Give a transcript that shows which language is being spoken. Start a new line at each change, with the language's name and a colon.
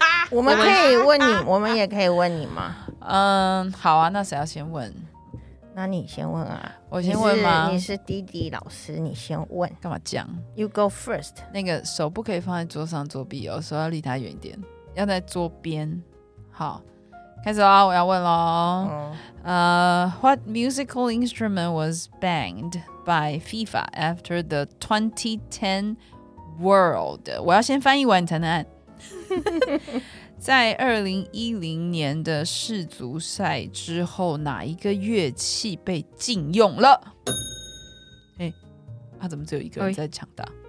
Chinese: 我们可以问你，我们也可以问你吗？嗯，好啊，那谁要先问？那你先问啊。我先问吗？你是弟弟老师，你先问。干嘛这样？
English: You go first。
Chinese: 那个手不可以放在桌上作弊哦，手要离他远一点，要在桌边。好，开始啦，我要问咯。
English: What musical instrument was banned by FIFA after the 2010 World?
Chinese: 我要先翻译完你才能按。在2010年的世足赛之后，哪一个乐器被禁用了？欸，他怎么只有一个人在抢答？